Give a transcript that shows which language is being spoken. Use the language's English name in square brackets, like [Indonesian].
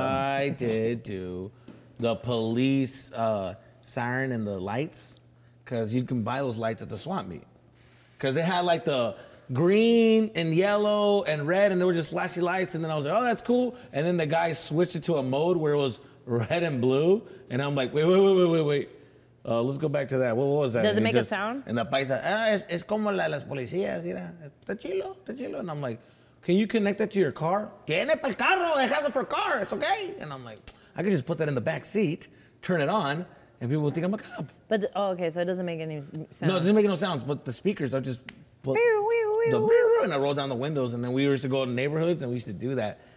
[English] I did do the police siren and the lights, because you can buy those lights at the swap meet. Because they had like the green and yellow and red, and they were just flashy lights, and then I was like, oh, that's cool. And then the guy switched it to a mode where it was red and blue, and I'm like, wait, Let's go back to that. What was that? Does it make a sound? And the [Spanish] paisa, es como las policías, mira. Está chilo, está chilo. [English] And I'm like, can you connect that to your car? [Spanish] Tiene para el carro. [English] It has it for car. It's okay. And I'm like, I could just put that in the back seat, turn it on, and people will think I'm a cop. But, okay, so it doesn't make any sound. No, it doesn't make no sounds, but the speakers are just put the and I roll down the windows, and then we used to go to neighborhoods, and we used to do that.